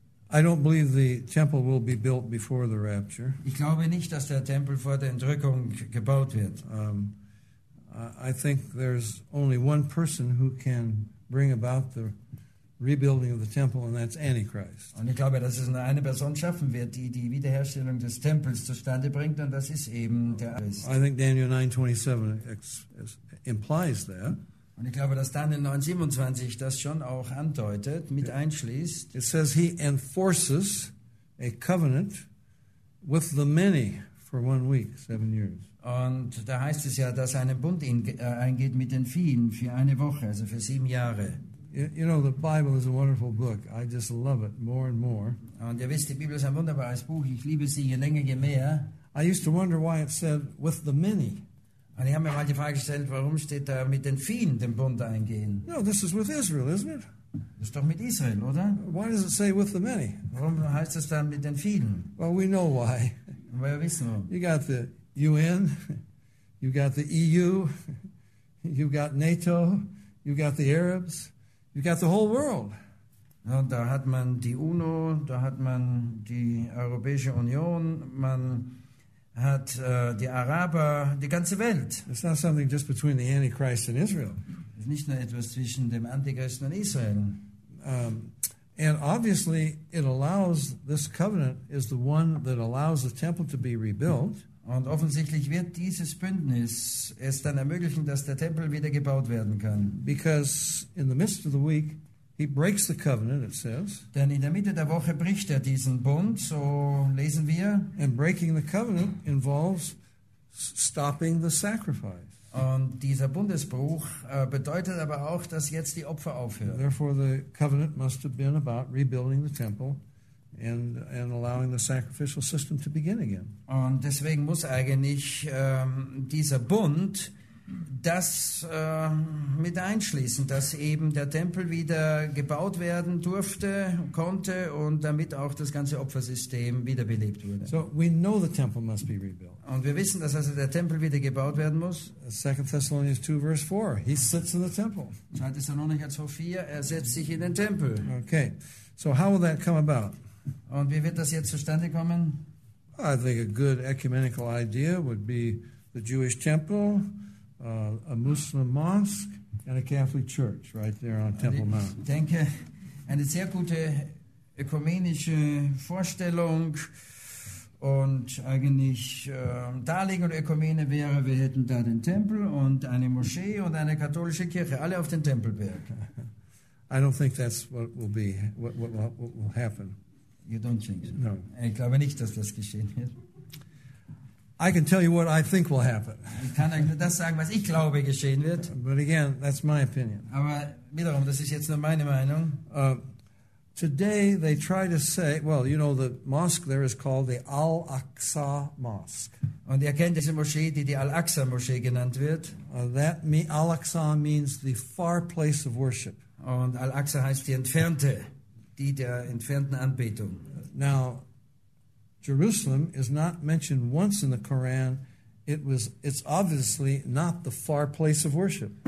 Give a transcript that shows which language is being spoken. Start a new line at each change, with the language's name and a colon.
English: Yeah. I don't believe the temple will be built before the rapture.
German: Ich glaube nicht, dass der Tempel vor der Entrückung gebaut wird.
English: I think there's only one person who can bring about the rebuilding of the temple, and that's Antichrist.
German: Und ich glaube, dass es nur eine Person schaffen wird, die die Wiederherstellung des Tempels zustande bringt, und das ist eben der Antichrist.
English: I think Daniel 9:27 implies that.
German: Und ich glaube, dass Daniel 9:27 das schon auch andeutet, mit einschließt.
English: It says he enforces a covenant with the many for 1 week, 7 years.
German: Und da heißt es ja, dass er einen Bund eingeht mit den Vielen für eine Woche, also für 7 Jahre.
English: You know, the Bible is a wonderful book. I just love it more and more.
German: Und ihr wisst, die Bibel ist ein wunderbares Buch. Ich liebe sie je länger, je mehr.
English: I used to wonder why it said with the many.
German: Und ich habe mir mal die Frage gestellt, warum steht da mit den Vielen den Bund eingehen?
English: No, this is with Israel, isn't it?
German: Das ist doch mit Israel, oder?
English: Why does it say with the many?
German: Warum heißt es dann mit den Vielen?
English: Well, we know why.
German: Wir wissen warum.
English: You got the UN, you got the EU, you got NATO, you got the Arabs, you got the whole world.
German: Und da hat man die UNO, da hat man die Europäische Union, man hat die Araber, die ganze Welt.
English: It's not something just between the Antichrist and Israel.
German: Ist nicht nur etwas zwischen dem Antichristen und Israel.
English: And obviously it allows, this covenant is the one that allows the temple to be rebuilt.
German: Und offensichtlich wird dieses Bündnis es dann ermöglichen, dass der Tempel wieder gebaut werden kann.
English: Because in the midst of the week, he breaks the covenant, it says.
German: Denn in der Mitte der Woche bricht er diesen Bund, so lesen wir.
English: And breaking the covenant involves stopping the sacrifice.
German: Und dieser Bundesbruch bedeutet aber auch, dass jetzt die Opfer aufhören.
English: Therefore the covenant must have been about rebuilding the temple and allowing the sacrificial system to begin again.
German: Und deswegen muss eigentlich dieser Bund das mit einschließen, dass eben der Tempel wieder gebaut werden durfte, konnte und damit auch das ganze Opfersystem wiederbelebt wurde.
English: So we know the temple must be rebuilt.
German: Und wir wissen, dass also der Tempel wieder gebaut werden muss.
English: 2 Thessalonians 2, verse 4. He sits in the temple.
German: 2 Thessalonians 4, er setzt sich in den Tempel.
English: Okay, so how will that come about?
German: Und wie wird das jetzt zustande kommen?
English: I think a good ecumenical idea would be the Jewish temple, a Muslim mosque and a Catholic church right there on Temple Mount.
German: Ich denke, eine sehr gute ökumenische Vorstellung und eigentlich Darlegung der Ökumene wäre, wir hätten da den Tempel und eine Moschee und eine katholische Kirche, alle auf den Tempelberg.
English: I don't think that's what will be, what will happen. You don't think so? No.
German: Ich glaube nicht, dass das geschehen wird.
English: I can tell you what I think will happen.
German: Ich kann euch nur das sagen, was ich glaube, geschehen wird.
English: But again, that's my opinion.
German: Aber wiederum, das ist jetzt nur meine Meinung.
English: Today they try to say, well, you know, the mosque there is called the Al-Aqsa Mosque.
German: Und ihr kennt diese Moschee, die die Al-Aqsa Moschee genannt wird.
English: Al-Aqsa means the far place of worship.
German: Und Al-Aqsa heißt die Entfernte, die der entfernten Anbetung.
English: Now, Jerusalem is not mentioned once in the Quran. It's obviously not the far place of worship.